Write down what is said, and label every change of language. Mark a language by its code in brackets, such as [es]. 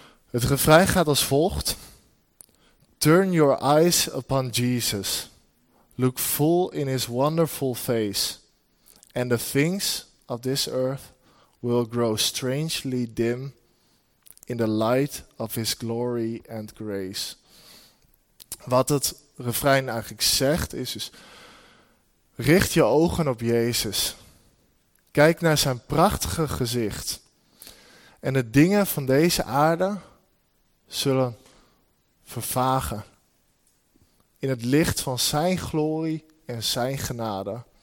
[nl] Het refrein gaat als volgt. [en] Turn your eyes upon Jesus. Look full in his wonderful face. And the things of this earth will grow strangely dim in the light of his glory and grace. [nl] Wat het refrein eigenlijk zegt is dus, richt je ogen op Jezus. Kijk naar zijn prachtige gezicht. En de dingen van deze aarde zullen vervagen in het licht van zijn glorie en zijn genade.